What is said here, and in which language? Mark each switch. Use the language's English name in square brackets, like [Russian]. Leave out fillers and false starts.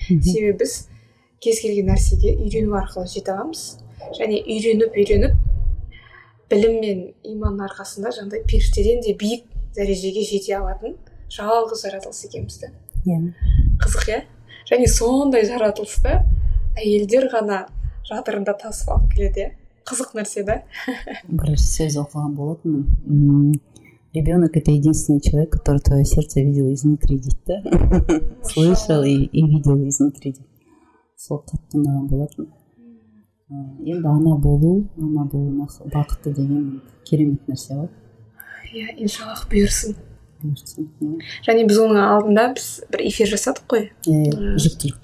[Kazakh] Себебі біз кез келген нәрсеге үйрену арқылы жете аламыз, және үйреніп білім мен иманның арқасында жандай періштеден де биік дәрежеге жете алатын жалғыз жаратылыс екенбіз де. Қызық, иә? Және сондай жаратылысты әйелдер ғана жатырында тасып алып келеді, иә? Қызық нәрсе, да? Бір сөз оқыған болатынмын. [Russian] Ребенок — это единственный человек, который твое сердце видел изнутри, [Kazakh] дейді, [Russian] да? Слышал и видел изнутри, [Kazakh] дейді. Сол қатты ұнаған болатын. Енді ана болу, ана болу бақытты деген керемет нәрсе ғой. Иә, иншаллах бұйырсын. Бұйырсын. Және біз оның алдында біз бір эфир жасадық қой. Иә, жүктілік.